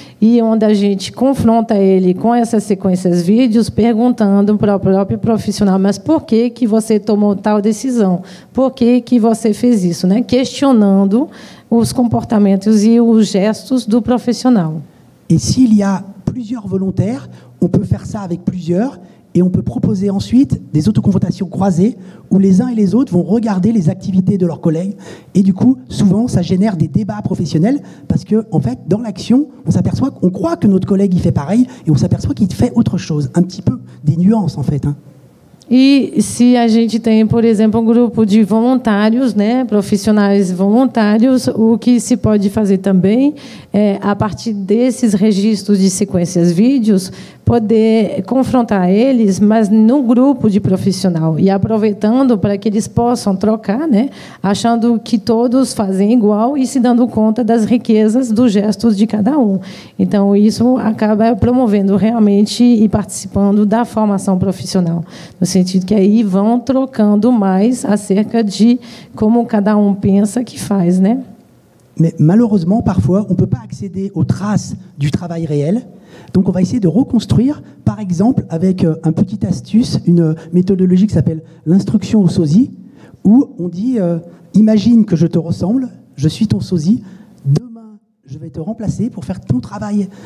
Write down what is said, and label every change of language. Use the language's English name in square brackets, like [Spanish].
[Portuguese] E onde a gente confronta ele com essas sequências vídeos, perguntando para o próprio profissional, mas por que que você tomou tal decisão? Por que que você fez isso, né? Questionando os comportamentos e os gestos do profissional. [French] E se há plusieurs volontaires, on peut faire ça avec plusieurs, et on peut proposer ensuite des autoconfrontations croisées où les uns et les autres vont regarder les activités de leurs collègues. Et du coup, souvent, ça génère des débats professionnels parce que, en fait, dans l'action, on s'aperçoit qu'on croit que notre collègue, il fait pareil et on s'aperçoit qu'il fait autre chose, un petit peu des nuances, en fait. Hein. [Portuguese] Et si a gente tem, por exemplo, um grupo de voluntários, né, profissionais voluntários, o que se pode fazer também é, a partir desses registros de sequências vídeos, poder confrontar eles, mas no grupo de profissional, e aproveitando para que eles possam trocar, né, achando que todos fazem igual e se dando conta das riquezas dos gestos de cada um. Então, isso acaba promovendo realmente e participando da formação profissional, no sentido que aí vão trocando mais acerca de como cada um pensa que faz, né? [French] Mais malheureusement, parfois, on ne peut pas accéder aux traces du travail réel. Donc, on va essayer de reconstruire, par exemple, avec un petit astuce, une méthodologie qui s'appelle l'instruction au sosie, où on dit « Imagine que je te ressemble, je suis ton sosie, demain, je vais te remplacer pour faire ton travail.